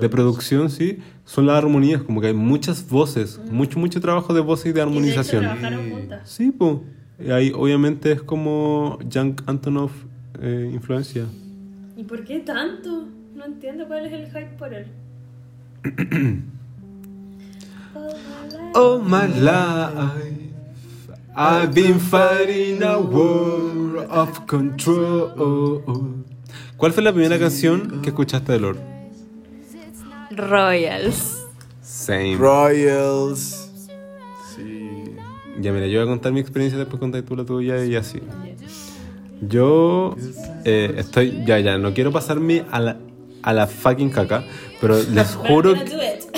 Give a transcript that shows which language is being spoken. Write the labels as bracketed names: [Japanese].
[Spanish] de producción, sí, son las armonías, como que hay muchas voces, mucho trabajo de voces y de armonización. Y de hecho, sí, pues. Y ahí obviamente es como Jack Antonoff influencia. ¿Y por qué tanto? No entiendo cuál es el hype por él. [English] Oh my life, I've been fighting a war of control. [Spanish] ¿Cuál fue la primera canción que escuchaste de Lorde? [English] Royals. Same. Royals. [Spanish] Sí. Ya mira, yo voy a contar mi experiencia, después contar tú la tuya y así. Yo estoy... Ya, no quiero pasarme a la fucking caca, pero les juro que...